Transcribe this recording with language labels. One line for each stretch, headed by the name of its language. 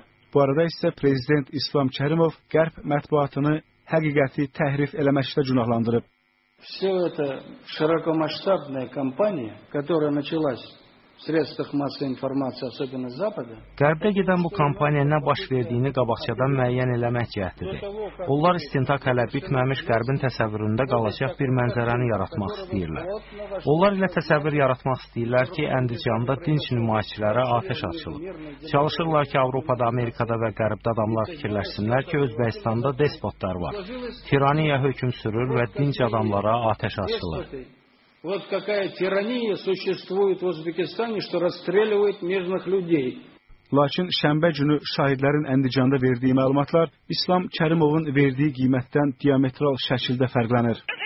Azerbaijani: Bu arada isə Prezident İslam Kərimov Qərb mətbuatını həqiqəti təhrif eləməkdə günahlandırıb.
Russian: Все это широкомасштабная кампания, которая началась
Azerbaijani: Qərbdə gedən bu kampaniya nə baş verdiyini qabaqçadan müəyyən eləmək cəhdidir. Onlar istintaq hələ bitməmiş qərbin təsəvvüründə qalacaq bir mənzərəni yaratmaq istəyirlər. Onlar ilə təsəvvür yaratmaq istəyirlər ki, Əndicanda dinç nümayişçilərə atəş açılıb. Çalışırlar ki, Avropada, Amerikada və qərbdə adamlar fikirləşsinlər ki, Özbəkistanda despotlar var. Tiraniya hökum sürür və dinç adamlara atəş açılır.
Russian: Вот какая тирания существует в Узбекистане, что расстреливает мирных людей.
Azerbaijani: Lakin şənbə günü şahidlərin Əndicanda verdiyi məlumatlar İslam Kərimovun verdiyi qiymətdən diametral şəkildə fərqlənir.